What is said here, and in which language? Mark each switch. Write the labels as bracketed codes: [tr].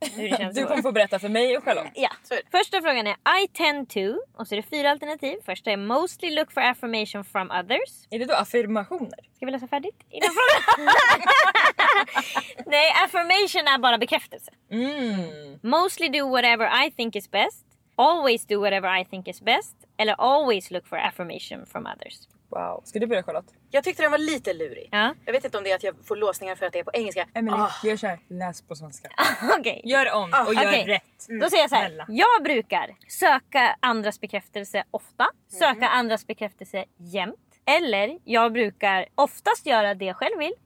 [sv] Hur det känns. Du kommer få berätta för mig och Charlotte. Ja, första frågan är [en] I tend to. [sv] Och så är det fyra alternativ. Första är [en] mostly look for affirmation from others. [sv] Är det då affirmationer? Ska vi läsa färdigt innan frågan? Nej, affirmation är bara bekräftelse. [en] Mostly do whatever I think is best. Always do whatever I think is best. [sv] Eller [en] always look for affirmation from others. [sv] Wow, ska du börja Charlotte? Jag tyckte den var lite lurig. Ja. Jag vet inte om det är att jag får låsningar för att det är på engelska. Emily, gör såhär, läs på svenska. Okej. Gör om och gör rätt. Då säger jag såhär, jag brukar söka andras bekräftelse ofta. Söka andras bekräftelse jämt. Eller jag brukar oftast göra det jag själv vill.